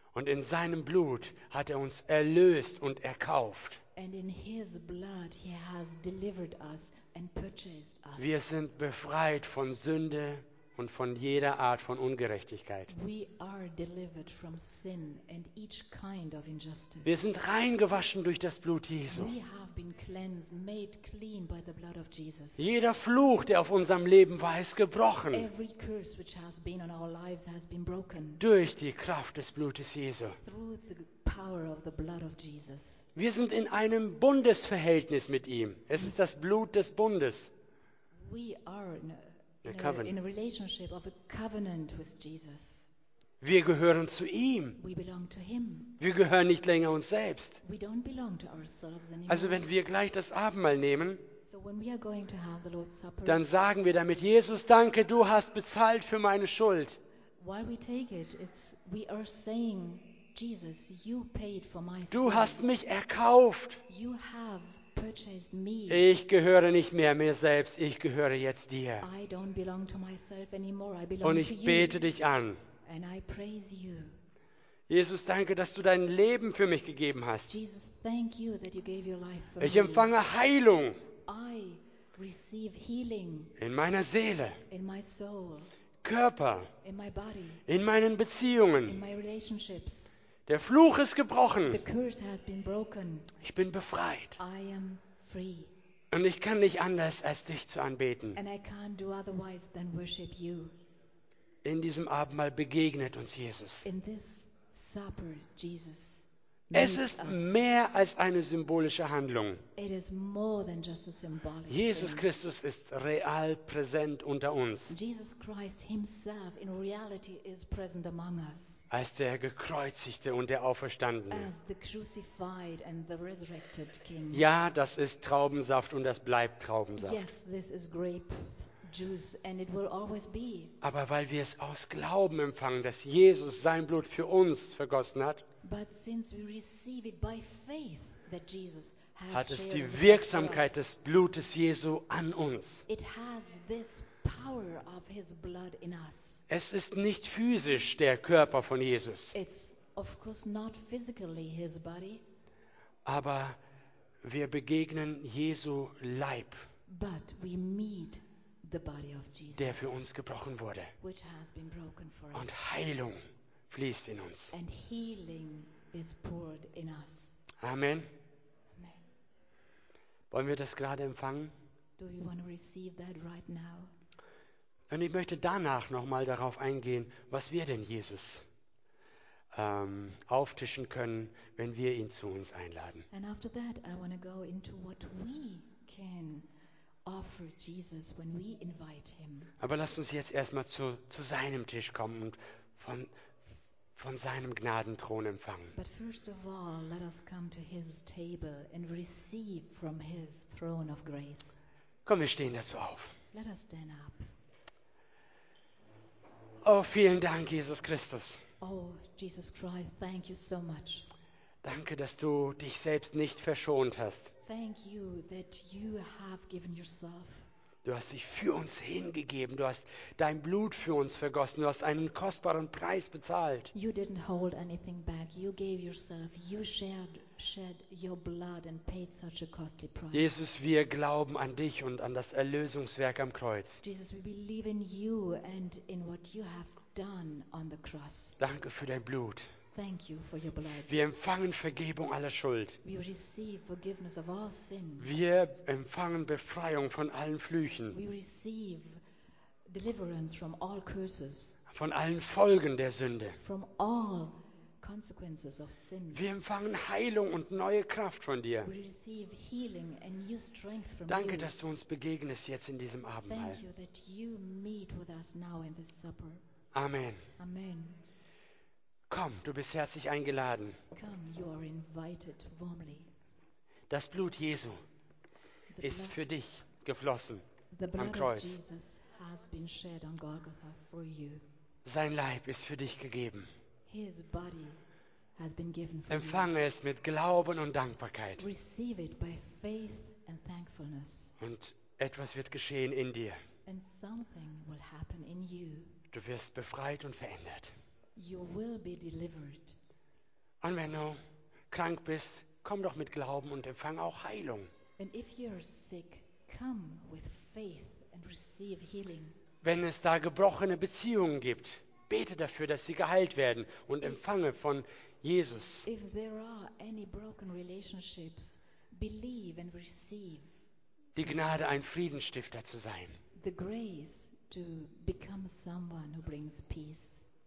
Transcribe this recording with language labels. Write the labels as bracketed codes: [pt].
[de] Und in seinem Blut hat er uns erlöst und erkauft. [en] And in his blood he has delivered us and purchased us. [de] Wir sind befreit von Sünde und von jeder Art von Ungerechtigkeit. [en] We are delivered from sin and each kind of injustice. [de] Wir sind reingewaschen durch das Blut Jesu. [en] We have been cleansed, made clean by the blood of Jesus. [de] Jeder Fluch, der auf unserem Leben war, ist gebrochen. [en] Every curse which has been on our lives has been broken. [de] Durch die Kraft des Blutes Jesu. [en] Through the power of the blood of Jesus. [de] Wir sind in einem Bundesverhältnis mit ihm. Es ist das Blut des Bundes. [en] We are in a relationship of a covenant with Jesus. [de] Wir gehören zu ihm. [en] We belong to him. [de] Wir gehören nicht länger uns selbst. [en] We don't belong to ourselves anymore. [de] Also wenn wir gleich das Abendmahl nehmen, [en] so when we are going to have the Lord's Supper, [de] dann sagen wir damit, Jesus, danke, du hast bezahlt für meine Schuld. [en] While we take it, we are saying, Jesus, you paid for my sin. [de] Du hast mich erkauft. [en] You have purchased me. [de] Ich gehöre nicht mehr mir selbst. Ich gehöre jetzt dir. [en] I don't belong to myself anymore. I belong [de] Und ich [en] to [de] bete [en] you. [de] Dich an. [en] And I praise you. [de] Jesus, danke, dass du dein Leben für mich gegeben hast. [en] Jesus, thank you that you gave your life for [de] ich empfange Heilung. [en] I receive healing [de] in meiner Seele. [en] In my soul. [de] Körper. [en] In my body. [de] In meinen Beziehungen. [en] In my relationships. [de] Der Fluch ist gebrochen. [en] The curse has been broken. [de] Ich bin befreit. [en] I am free. [de] Und ich kann nicht anders, als dich zu anbeten. [en] And I can't do otherwise than worship you. [de] In diesem Abendmahl begegnet uns Jesus. [en] In this supper, Jesus [de] es ist mehr als eine symbolische Handlung. [en] It is more than just a symbolic [de] Jesus [en] thing. [de] Christus ist real präsent unter uns. [en] Jesus Christ himself in reality is present among us. [de] Als der Gekreuzigte und der Auferstandene. [en] As the crucified and the resurrected king. [de] Ja, das ist Traubensaft und das bleibt Traubensaft. [en] Yes, this is grape juice and it will always be. [de] Aber weil wir es aus Glauben empfangen, dass Jesus sein Blut für uns vergossen hat, [en] but since we receive it by faith that Jesus has [de] hat es die Wirksamkeit des Blutes Jesu an uns. [en] It has this power of his blood in us. [de] Es ist nicht physisch der Körper von Jesus. [en] It's of course not physically his body. [de] Aber wir begegnen Jesu Leib, [en] but we meet the body of Jesus, [de] der für uns gebrochen wurde. [en] Which has been broken for us. [de] Und Heilung fließt in uns. [en] And healing is poured in us. [de] Amen. Amen. Wollen wir das gerade empfangen? [en] Do you want to receive that right now? [de] Und ich möchte danach nochmal darauf eingehen, was wir denn Jesus auftischen können, wenn wir ihn zu uns einladen. [en] And after that I want to go into what we can offer Jesus when we invite him. [de] Aber lasst uns jetzt erstmal zu seinem Tisch kommen und von seinem Gnadenthron empfangen. [en] But first of all, let us come to his table and receive from his throne of grace. [de] Komm, wir stehen dazu auf. [en] Let us stand up. [de] Oh, vielen Dank, Jesus Christus. [en] Oh, Jesus Christ, thank you so much. [de] Danke, dass du dich selbst nicht verschont hast. [en] Thank you that you have given yourself. [de] Du hast dich für uns hingegeben. Du hast dein Blut für uns vergossen. Du hast einen kostbaren Preis bezahlt. [en] You didn't hold anything back. You gave yourself. You shed your blood and paid such a costly price. [de] Jesus, wir glauben an dich und an das Erlösungswerk am Kreuz. [en] Jesus, we believe in you and in what you have done on the cross. [de] Danke für dein Blut. [en] Thank you for your blood. [de] Wir empfangen Vergebung aller Schuld. [en] We receive forgiveness of all sin. [de] Wir empfangen Befreiung von allen Flüchen. [en] We receive deliverance from all curses. [de] Von allen Folgen der Sünde. [en] From all consequences of sin. [de] Wir empfangen Heilung und neue Kraft von dir. [en] We receive healing and new strength from [de] Danke, [en] you. [de] Dass du uns begegnest jetzt in diesem Abendmahl. [en] Thank you that you meet with us now in this supper. [de] Amen. [en] Amen. [de] Komm, du bist herzlich eingeladen. [en] Come, you are invited warmly. [de] Das Blut Jesu ist für dich geflossen am Kreuz. [en] The blood of Jesus has been shed on Golgotha for you. [de] Sein Leib ist für dich gegeben. [en] His body has been given for [de] Empfange [en] you. [de] Es mit Glauben und Dankbarkeit. [en] Receive it by faith and thankfulness. [de] Und etwas wird geschehen in dir. [en] And something will happen in you. [de] Du wirst befreit und verändert. [en] You will be delivered. [de] Und wenn du krank bist, komm doch mit Glauben und empfange auch Heilung. [en] And if you're sick, come with faith and receive healing. [de] Wenn es da gebrochene Beziehungen gibt, bete dafür, dass sie geheilt werden und empfange von Jesus. [en] If there are any broken relationships, believe and receive. [de] Die Gnade, ein Friedensstifter zu sein. [en] The grace to become someone who brings peace.